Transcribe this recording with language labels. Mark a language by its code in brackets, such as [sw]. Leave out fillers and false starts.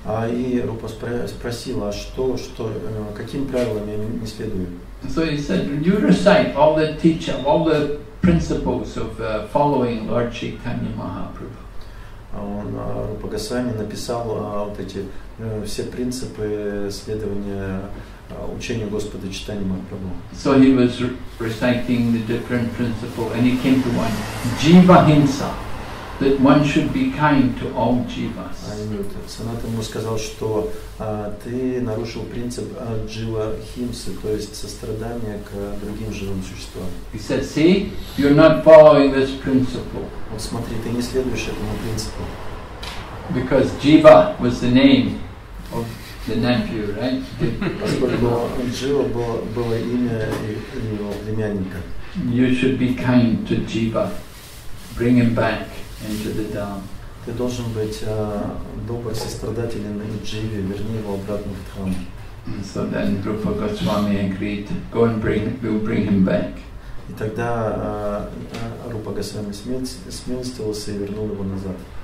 [ru] И Рупа спросила, каким правилам я не следую? [en] So he said, "You recite all the teaching, all the principles of following Lord Chaitanya Mahaprabhu." [ru] Он Рупа Госвами написал вот эти все принципы следования учению Господа Чайтанья Махапрабху. [en] So he was reciting the different principles, and he came to one: Jiva Hinsa, that one should be kind to all jivas. [ru] Санат ему сказал, что ты нарушил принцип Jiva Himsa, то есть сострадание к другим живым существам. [en] He said, "See, you're not following this principle." [ru] Вот смотри, ты не следуешь этому принципу. [en] Because Jiva was the name of the nephew, right? [ru] Поскольку Jiva было имя его племянника. [en] You should be kind to Jiva. Bring him back into the Dham. [ru] Ты должен быть добр, сострадателен и Дживе, верни его обратно в Дхам. [en] So then Rupa Goswami agreed, go and bring, we'll bring him back. [ru] И тогда Рупа Госвами смилостивился и вернул его назад.